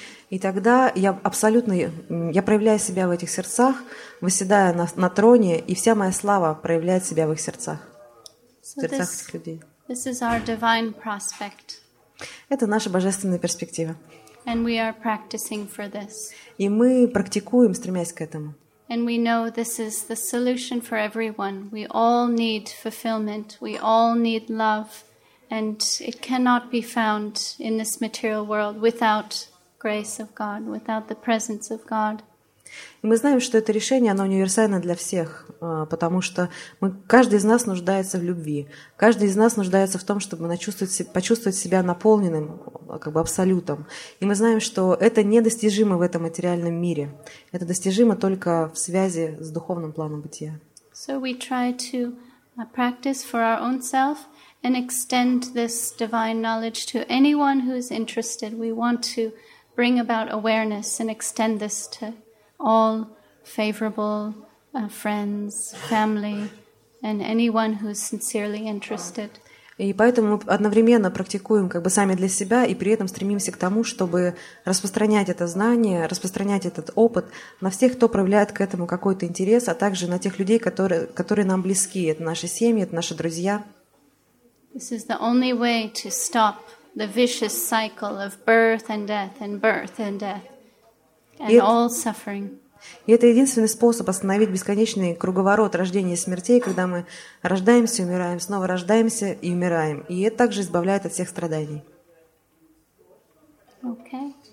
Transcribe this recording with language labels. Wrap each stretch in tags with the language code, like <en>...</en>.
<ru>И тогда я проявляю себя в этих сердцах, восседая на троне, и вся моя слава проявляет себя в их сердцах, в сердцах этих людей.</ru> <en>This is our divine prospect.</en> <ru>Это наша божественная перспектива.</ru> <en>And we are practicing for this.</en> <ru>И мы практикуем, стремясь к этому.</ru> <en>And we know this is the solution for everyone. We all need fulfillment. We all need love. And it cannot be found in this material world without grace of God, without the presence of God.</en> <ru>И мы знаем, что это решение, оно универсально для всех, потому что каждый из нас нуждается в любви. Каждый из нас нуждается в том, чтобы почувствовать себя наполненным, как бы абсолютом. И мы знаем, что это недостижимо в этом материальном мире. Это достижимо только в связи с духовным планом бытия.</ru> <en>So we try to practice for our own self and extend this divine knowledge to anyone who is interested. We want to bring about awareness and extend this to all favorable friends, family, and anyone who's sincerely interested.</en> <ru>И поэтому мы одновременно практикуем как бы сами для себя и при этом стремимся к тому, чтобы распространять это знание, распространять этот опыт на всех, кто проявляет к этому какой-то интерес, а также на тех людей, которые нам близки. Это наши семьи, это наши друзья.</ru> <en>This is the only way to stop the vicious cycle of birth and death and birth and death and all suffering.</en> <ru>И это единственный способ остановить бесконечный круговорот рождения и смертей, когда мы рождаемся, умираем, снова рождаемся и умираем. И это также избавляет от всех страданий.</ru> <en>Okay.</en>